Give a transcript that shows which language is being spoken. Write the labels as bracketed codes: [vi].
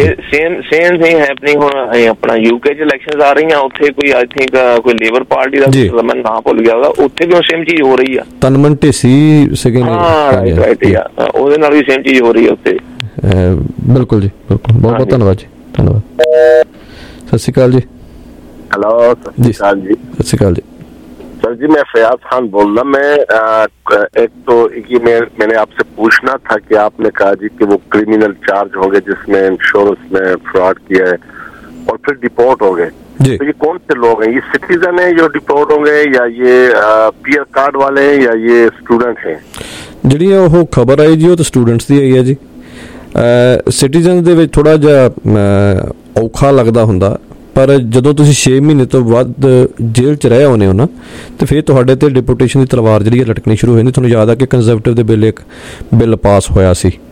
[pa] same thing happening ਹੁਣ ਆਪਣਾ UK ਚ ਇਲੈਕਸ਼ਨਸ ਆ ਰਹੀਆਂ ਉੱਥੇ ਕੋਈ ਆਈ ਥਿੰਕ ਕੋਈ ਲੇਬਰ ਪਾਰਟੀ ਦਾ ਮੈਂ ਨਾਂ ਭੁੱਲ ਗਿਆ ਉਹਦਾ ਉੱਥੇ ਵੀ ਉਹ ਸੇਮ ਚੀਜ਼ ਹੋ ਰਹੀ ਆ ਤਨਮਨ ਢੇਸੀ ਸੀਗੇ ਉਹਦੇ ਨਾਲ ਵੀ ਸੇਮ ਚੀਜ਼ ਹੋ ਰਹੀ ਆ ਉੱਥੇ ਬਿਲਕੁਲ ਜੀ ਬਿਲਕੁਲ ਬਹੁਤ ਬਹੁਤ ਧੰਨਵਾਦ ਜੀ ਧੰਨਵਾਦ ਸਤਿ ਸ਼੍ਰੀ ਅਕਾਲ ਜੀ ਹੈਲੋ ਸਤਿ ਸ਼੍ਰੀ ਅਕਾਲ ਜੀ ਸਤਿ ਸ਼੍ਰੀ ਅਕਾਲ ਜੀ [ur] سر جی میں فیاض خان بول رہا میں ایک تو میں نے آپ سے پوچھنا تھا کہ آپ نے کہا جی کہ وہ کریمینل چارج ہو گئے جس میں انشورنس میں فراڈ کیا ہے اور پھر ڈپورٹ ہو گئے تو یہ کون سے لوگ ہیں یہ سٹیزن ہیں جو ڈپورٹ ہو گئے یا یہ پی آر کارڈ والے ہیں یا یہ اسٹوڈنٹ ہیں جی وہ خبر آئی جی وہ تو اسٹوڈنٹس کی آئی ہے جی سٹیزن دے وچ تھوڑا جا اوکھا لگتا ہوں [pa] ਪਰ ਜਦੋਂ ਤੁਸੀਂ 6 ਮਹੀਨੇ ਤੋਂ ਵੱਧ ਜੇਲ੍ਹ 'ਚ ਰਹੇ ਆਉਂਦੇ ਹੋ ਨਾ ਤਾਂ ਫਿਰ ਤੁਹਾਡੇ 'ਤੇ ਡਿਪੂਟੇਸ਼ਨ ਦੀ ਤਲਵਾਰ ਜਿਹੜੀ ਹੈ ਲਟਕਣੀ ਸ਼ੁਰੂ ਹੋ ਜਾਂਦੀ ਤੁਹਾਨੂੰ ਯਾਦ ਆ ਕਿ ਕੰਜ਼ਰਵੇਟਿਵ ਦੇ ਬਿੱਲ ਇੱਕ ਬਿੱਲ ਪਾਸ ਹੋਇਆ ਸੀ